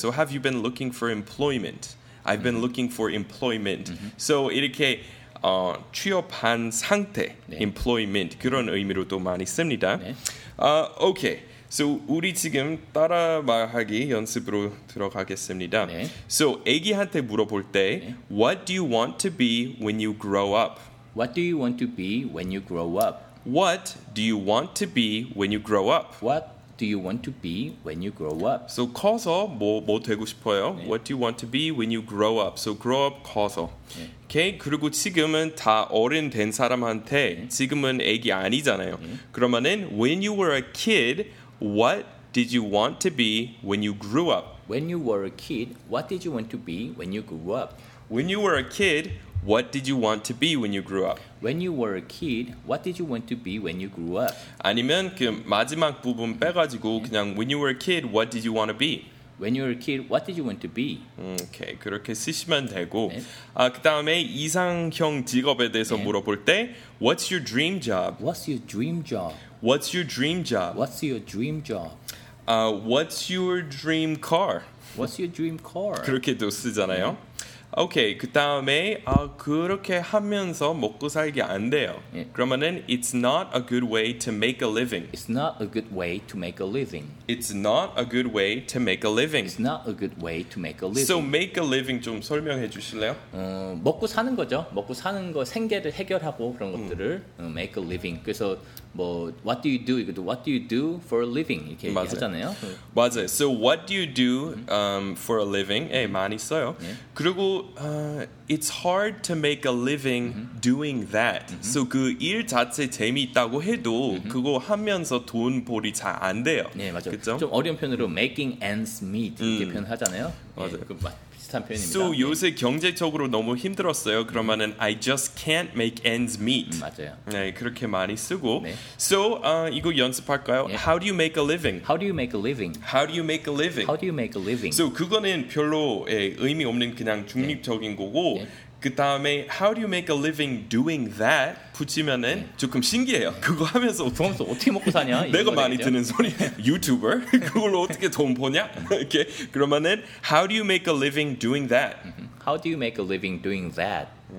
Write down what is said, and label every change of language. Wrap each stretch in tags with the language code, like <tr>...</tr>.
<en>So have you been looking for employment? I've been looking for employment.</en> <ko>So 이렇게 취업한 상태, 네. employment 그런 의미로도 많이 씁니다. 네.</ko> <en>Okay.</en> <ko>So 우리 지금 따라 말하기 연습으로 들어가겠습니다. 네. So 애기한테 물어볼 때, 네.</ko> <en>What do you want to be when you grow up? What do you want to be when you grow up? What do you want to be when you grow up? What do you want to be when you grow up?</en> <ko>So 커서 뭐 되고 싶어요? 네.</ko> <en>What do you want to be when you grow up?</en> <ko>So grow up 커서. 네.</ko> <en>Okay.</en> <ko>그리고 지금은 다 어른 된 사람한테 네. 지금은 애기 아니잖아요. 네.</ko> <en>그러면은 when you were a kid, what did you want to be when you grew up? When you were a kid, what did you want to be when you grew up? When you were a kid, what did you want to be when you grew up? When you were a kid, what did you want to be when you grew up?</en> <ko>아니면 그 마지막 부분 빼가지고 그냥</ko> <en>when you were a kid, what did you want to be? When you were a kid, what did you want to be?</en> <ko>Okay, 그렇게 쓰시면 되고 네. 아, 그 다음에 이상형 직업에 대해서 네. 물어볼 때</ko> <en>What's your dream job? What's your dream job? What's your dream job? What's your dream job? What's your dream car? What's your dream car?</en> <ko>그렇게도 쓰잖아요. 네. Okay, 그 다음에 아, 그렇게 하면서 먹고 살기 안 돼요. 네. 그러면은</ko> <en>It's not a good way to make a living. It's not a good way to make a living. It's not a good way to make a living. It's not a good way to make a living.</en> <ko>So</ko> <en>make a living</en> <ko>좀 설명해 주실래요? 먹고 사는 거죠. 먹고 사는 거 생계를 해결하고 그런 것들을</ko> <en>make a living.</en> <ko>그래서 뭐</ko> <en>what do you do?</en> <ko>이것도</ko> <en>what do you do for a living</en> <ko>이렇게 맞아요. 얘기하잖아요. 맞아요.</ko> <en>So what do you do for a living?</en> <ko>에 많이 써요. 예.</ko> <en>그리고 it's hard to make a living doing that.</en> <ko>So 그 일 자체 재미있다고 해도 그거 하면서 돈 벌이 잘 안 돼요. 네, 맞아요. 그쵸? 좀 어려운 표현으로</ko> <en>making ends meet</en> <ko>이렇게 표현하잖아요. 맞아요. 예, 그 맞, 비슷한 표현입니다. So 요새 경제적으로 너무 힘들었어요. 그러면은</ko> <en>I just can't make ends meet.</en> <ko>맞아요. 네, 그렇게 많이 쓰고. 네. So 이거 연습할까요? 예.</ko> <en>How do you make a living? How do you make a living? How do you make a living? How do you make a living?</en> <ko>So 그거는 별로 예, 의미 없는 그냥 중립적인 예. 거고 예. 그 다음에</ko> <en>How do you make a living doing that?</en> <ko>붙이면은 네. 조금 신기해요. 그거 하면서 돈서 어떻게 먹고 사냐? 내가 많이 드는 소리. 유튜버 그걸로 어떻게 돈 버냐? 이렇게 그러면은</ko> <en>How do you make a living doing that? How do you make a living doing that?</en>